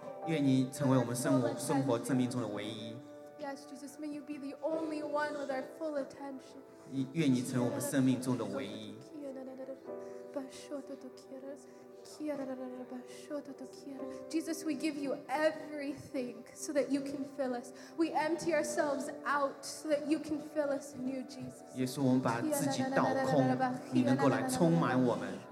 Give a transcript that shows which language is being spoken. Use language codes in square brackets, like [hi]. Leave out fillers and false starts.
[zh] 愿你成为我们生活生命中的唯一。 [en] Yes, Jesus. May you be the only one with our full attention. [zh] 愿你成为我们生命中的唯一。 [en] Jesus, we give you everything so that you can fill us. We empty ourselves out so that you can fill us anew, Jesus. [zh] 耶稣，我们把自己倒空，你能够来充满我们。